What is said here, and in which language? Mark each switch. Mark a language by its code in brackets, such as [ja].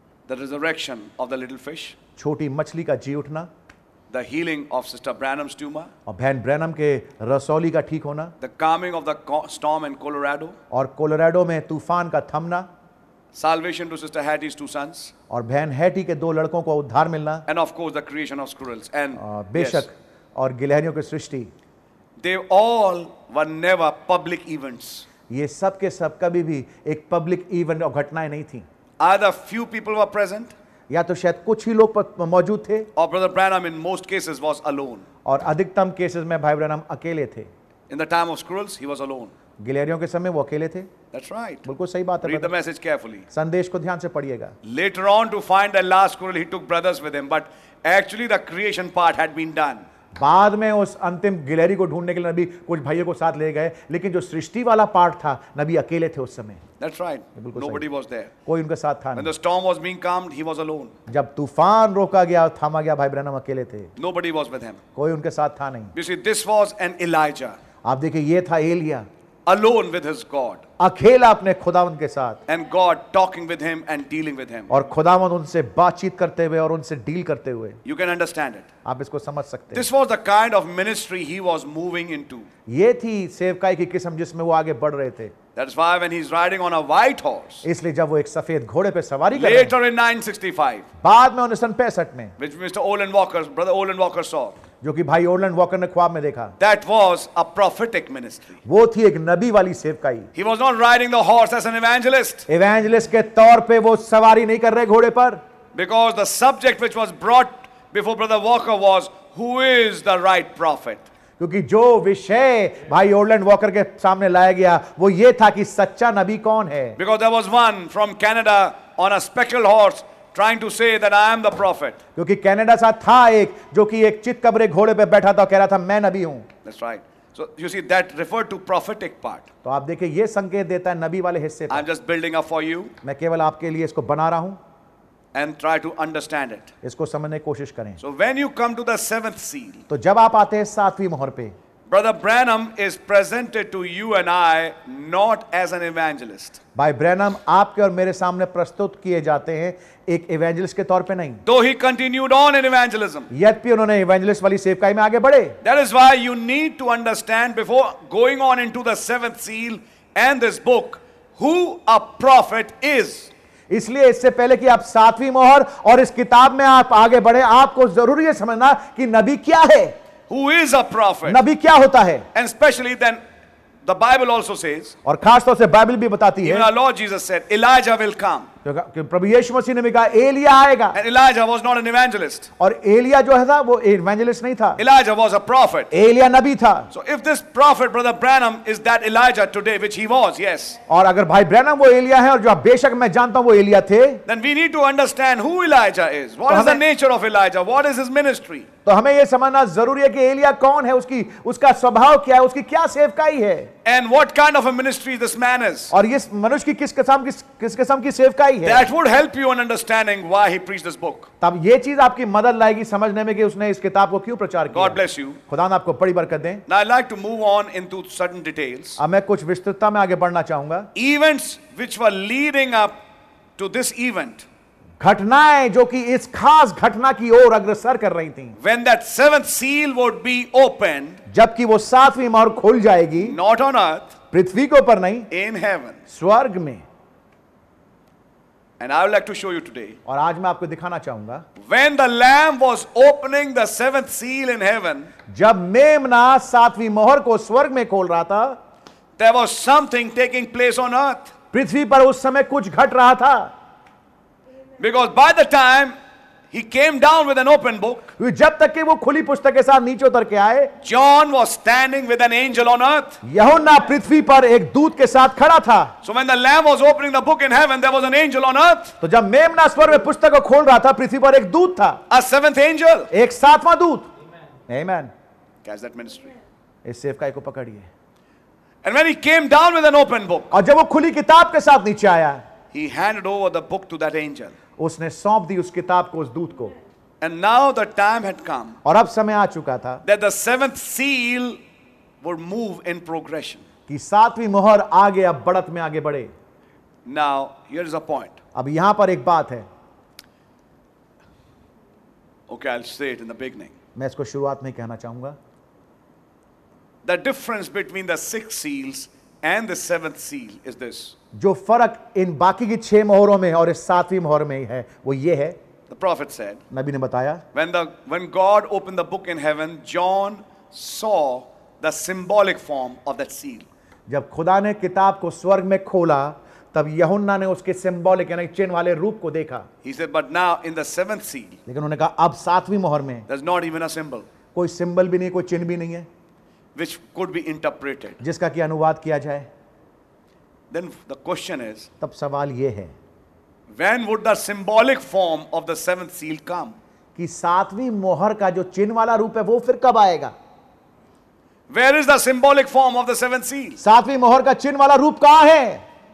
[en] The resurrection of the little fish. [hi] छोटी मछली का जी उठना. [en] The healing of Sister Branham's tumor. [hi] और बहन ब्रैनम के रसौली का ठीक होना. [en] The calming of the storm in Colorado. [hi] और कोलोराडो में तूफान का थमना. [en] Salvation to Sister Hattie's two sons. [hi] और बहन हैटी के दो लड़कों को उद्धार मिलना. [en] And of course the creation of squirrels. And [hi] बेशक [en] yes. [hi] और गिलहरियों की सृष्टि. [en] They all were never public events. [hi] ये सब के सब कभी भी एक पब्लिक इवेंट और घटनाएं नहीं थी. [en] Either few people were present. [hi] या तो शायद कुछ ही लोग मौजूद थे. [en] Or Brother Branham in most cases was alone. [hi] और अधिकतम केसेस में भाई ब्रैनम अकेले थे. [en] In the time of squirrels, he was alone. [hi] गिलहरियों के समय वो अकेले थे. [en] That's right. [hi] बिल्कुल सही बात है. [en] Read the message carefully. [hi] संदेश को ध्यान से पढ़िएगा. [en] Later on to find the last squirrel, he took brothers with him, but actually the creation part had been done. [hi] बाद में उस अंतिम गिलहरी को ढूंढने के लिए नबी कुछ भाइयों को साथ ले गए, लेकिन जो सृष्टि वाला पार्ट था नबी अकेले थे उस समय. [en] That's right. Nobody was there. [hi] कोई उनके साथ था नहीं. [en] When the storm was being calmed, he was alone. [hi] जब तूफान रोका गया और थामा गया, भाई ब्रैनम अकेले थे. [en] Nobody was with him. [hi] कोई उनके साथ था नहीं. [en] You see, this was an Elijah. [hi] आप देखिए, ये था Elia. [en] Alone with his God. [hi] अकेला अपने खुदावंद के साथ. [en] And God talking with him and dealing with him. [hi] और खुदावंद उनसे बातचीत करते हुए और उनसे डील करते हुए. [en] You can understand it. [hi] आप इसको समझ सकते हैं. [en] This was the kind of ministry he was moving into. [hi] ये थी सेवकाई की किस्म जिसमें वो आगे बढ़ रहे थे. [en] That's why when he's riding on a white horse. [hi] इसलिए जब वो एक सफेद घोड़े पे सवारी करे. [en] Later in 965. [hi] बाद में 1965 में. [en] Which Mr. Olin Walker, Brother Olin Walker saw. [hi] जो कि भाई ओरलैंड वॉकर ने ख्वाब में देखा. [en] That was a prophetic ministry. [hi] वो थी एक नबी वाली सेवकाई. [en] He was not riding the horse as an evangelist. [hi] Evangelist के तौर पे वो सवारी नहीं कर रहे घोड़े पर. [en] Because the subject which was brought before Brother Walker was who is the right prophet. [hi] क्योंकि जो विषय भाई ओरलैंड वॉकर के सामने लाया गया वो ये था कि सच्चा नबी कौन है. [en] Because there was one from Canada on a speckled horse. Trying to say that I am the prophet. [hi] क्योंकि कनाडा से था एक जो कि एक चितकबरे घोड़े पे बैठा था, कह रहा था मैं नबी हूं. [en] That's right. So you see that referred to prophetic part. [hi] तो आप देखिए, ये संकेत देता है नबी वाले हिस्से पे. [en] I'm just building up for you. [hi] मैं केवल आपके लिए इसको बना रहा हूं. [en] And try to understand it. [hi] इसको समझने की कोशिश करें. [en] So when you come to the seventh seal. [hi] तो जब आप आते हैं सातवीं मोहर पे. [en] Brother Branham is presented to you and I not as an evangelist. [hi] भाई ब्रैनम आपके और मेरे सामने प्रस्तुत किए जाते हैं एक इवेंजलिस्ट के तौर पे नहीं. [en] Though he continued on in evangelism. [hi] यद्यपि उन्होंने इवेंजलिस्ट वाली सेवकाई में आगे बढ़े. [en] That is why you need to understand before going on into the seventh seal and this book who a prophet is. [hi] इसलिए इससे पहले कि आप सातवीं मोहर और इस किताब में आप आगे बढ़े, आपको जरूरी है समझना कि नबी क्या है. [en] Who is a prophet? [hi] नबी क्या होता है? [en] And especially then the Bible also says. [hi] और खास तौर से बाइबल भी बताती है. [en] Even our Lord Jesus said, Elijah will come. [hi] कि प्रभु यीशु मसीह ने भी कहा एलिया आएगा. [en] And Elijah was not an evangelist. [hi] और एलिया जो है था वो evangelist नहीं था. [en] Elijah was a prophet. [hi] Elia नबी था. [en] So if this prophet, Brother Branham, is that Elijah today, which he was, yes. [hi] और अगर भाई ब्रैनम वो एलिया है और जो बेशक मैं जानता हूँ वो एलिया थे. [en] Then we need to understand who Elijah is. What is the nature of Elijah? What is his ministry? [hi] तो हमें यह समझना जरूरी है कि एलिया कौन है, उसकी उसका स्वभाव क्या है, उसकी क्या सेवकाई है. [en] And what kind of a ministry this man is. [hi] और इस मनुष्य की किस किस्म की सेवकाई है. [en] That would help you in understanding why he preached this book. [hi] तब ये चीज आपकी मदद लाएगी समझने में कि उसने इस किताब को क्यों प्रचार किया. [en] God bless you. [hi] खुदा ने आपको बड़ी बरकत दे. [en] Now I'd like to move on into certain details. [hi] अब मैं कुछ विस्तृतता में आगे बढ़ना चाहूंगा. [en] Events which were leading up to this event. [hi] घटनाएं जो कि इस खास घटना की ओर अग्रसर कर रही थीं. [en] When that seventh seal would be opened. [hi] जबकि वो सातवीं मोहर खुल जाएगी. [en] Not on earth. [hi] पृथ्वी के ऊपर नहीं. [en] In heaven. [hi] स्वर्ग में. [en] And I would like to show you today. [hi] और आज मैं आपको दिखाना चाहूंगा. [en] When the Lamb was opening the seventh seal in heaven. [hi] जब मेमना सातवीं मोहर को स्वर्ग में खोल रहा था. [en] There was something taking place on earth. [hi] पृथ्वी पर उस समय कुछ घट रहा था. [en] Because by the time he came down with an open book, [hi] जब तक कि वो खुली पुस्तक के साथ नीचे उतर के आए, [en] John was standing with an angel on earth. [hi] यहोन्ना पृथ्वी पर एक दूत के साथ खड़ा था. [en] So when the Lamb was opening the book in heaven, there was an angel on earth. [hi] तो जब मेमना स्वर्ग में पुस्तक को खोल रहा था, पृथ्वी पर एक दूत था. [en] A seventh angel. [hi] एक सातवां दूत. Amen. [en] Catch that ministry. [hi] इस सेवकाई को पकड़िए. [en] And when he came down with an open book, [hi] और जब वो खुली किताब के साथ नीचे आया, [en] he handed over the book to that angel. [hi] उसने सौंप दी उस किताब को उस दूत को. [en] And now the time had come. [hi] और अब समय आ चुका था. [en] That the seventh seal would move in progression. [hi] कि सातवीं मोहर आगे अब बढ़त में आगे बढ़े. [en] Now here is a point. [hi] अब यहां पर एक बात है. [en] Okay, I'll say it in the beginning. [hi] मैं इसको शुरुआत में कहना चाहूंगा. [en] The difference between the six seals and the seventh seal is this. [hi] जो फर्क इन बाकी की छह मोहरों में और इस सातवीं मोहर में है वो ये है. [en] The prophet said. [hi] नबी ने बताया. [en] When God opened the book in heaven, John saw the symbolic form of that seal. [hi] जब खुदा ने किताब को स्वर्ग में खोला तब यहुन्ना ने उसके सिंबॉलिक यानी चिन्ह वाले रूप को देखा. [en] He said, but now in the seventh seal. [hi] लेकिन उन्होंने कहा अब सातवीं मोहर में. [en] There's not even a symbol. [hi] कोई सिंबल भी नहीं, कोई चिन्ह भी नहीं है. [en] Which could be interpreted. [hi] जिसका कि अनुवाद किया जाए. [en] Then the question is. [hi] तब सवाल ये है. [en] When would the symbolic form of the seventh seal come? [hi] कि सातवीं मोहर का जो चिन्ह वाला रूप है वो फिर कब आएगा? [en] Where is the symbolic form of the seventh seal? [hi] सातवीं मोहर का चिन्ह वाला रूप कहां है?